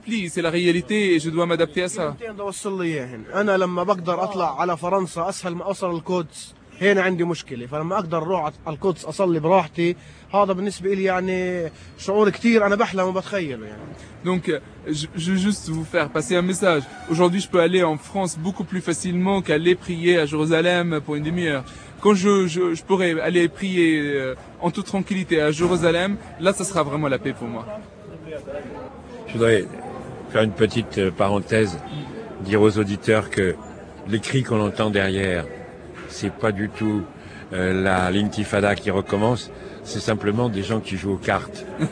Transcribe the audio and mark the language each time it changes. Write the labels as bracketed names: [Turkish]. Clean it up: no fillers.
[French] C'est la réalité et je dois m'adapter à ça. [Arabic] هنا عندي مشكلة فلما أقدر أروح القدس أصلي براحتي هذا بالنسبة لي يعني شعور كتير أنا بحلم وبتخيله يعني. [French] Donc je veux juste vous faire passer un message. Aujourd'hui je peux aller en France beaucoup plus facilement qu'aller prier à Jérusalem pour une demi-heure. Quand je pourrai aller prier en toute tranquillité à Jérusalem, là ça sera vraiment la paix pour moi. Je voudrais faire une petite parenthèse, dire aux auditeurs que les cris qu'on entend derrière, c'est pas du tout l'intifada qui recommence, c'est simplement des gens qui jouent aux cartes.